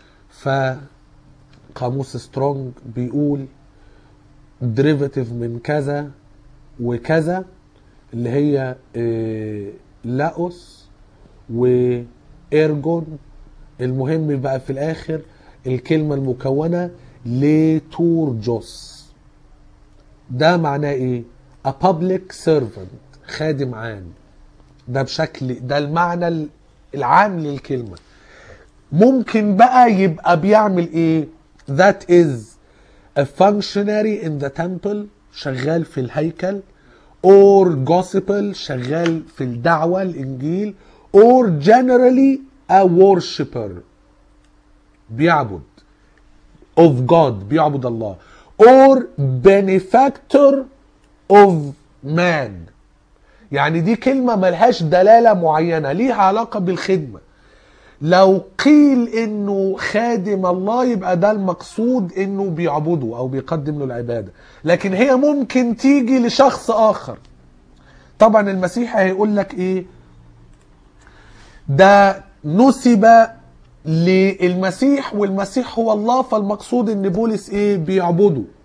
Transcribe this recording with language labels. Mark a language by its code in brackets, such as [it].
[ar] ف قاموس سترونج بيقول دريفاتيف من كذا وكذا اللي هي لاوس وايرجون، المهم بقى في الاخر الكلمة المكونة ليتورجوس ده معناه ايه؟ [en] a public servant, [ar] خادم عام، ده بشكل ده المعنى العام للكلمة. ممكن بقى يبقى بيعمل ايه؟ [en] That is a functionary in the temple، [ar] شغال في الهيكل، [en] or gospel [ar] شغال في الدعوة الإنجيل، [en] or generally a worshipper بيعبد of God [ar] بيعبد الله، [en] or benefactor of man. [ar] يعني دي كلمة ملهاش دلالة معينة، ليها علاقة بالخدمة. لو قيل انه خادم الله يبقى ده المقصود انه بيعبده او بيقدم له العبادة، لكن هي ممكن تيجي لشخص اخر. طبعا المسيح هيقول لك ايه؟ ده نسب للمسيح والمسيح هو الله، فالمقصود ان بولس ايه؟ بيعبده.